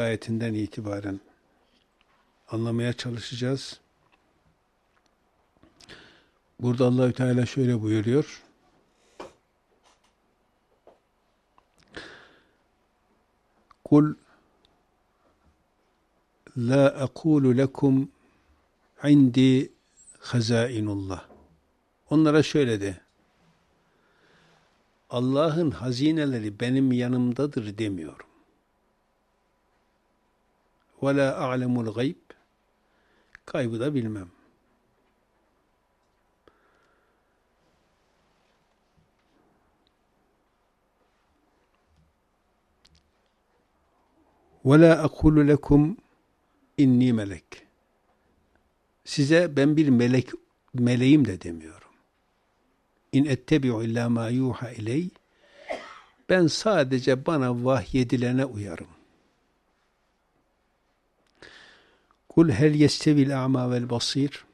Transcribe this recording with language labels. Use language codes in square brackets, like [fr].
[tr] ayetinden itibaren anlamaya çalışacağız. Burada Allah-u Teala şöyle buyuruyor: [ar] قُلْ لَا أَقُولُ لَكُمْ عِنْدِي خَزَائِنُ اللّٰهِ. [tr] Onlara şöyle de: Allah'ın hazineleri benim yanımdadır demiyorum. [ar] وَلَا أَعْلَمُ الْغَيْبِ. [tr] Kaybı da bilmem. [ar] وَلَا أَقُولُ لَكُمْ اِنِّي melek. [tr] Size ben bir melek, meleğim de demiyorum. [ar] اِنْ اَتَّبِعُ اِلَّا مَا يُوحَ اِلَيْ. [tr] Ben sadece bana vahyedilene uyarım. [ar] قُلْ هَلْ يَسْتَوِي الْاَعْمَى وَالْبَصِيرِ.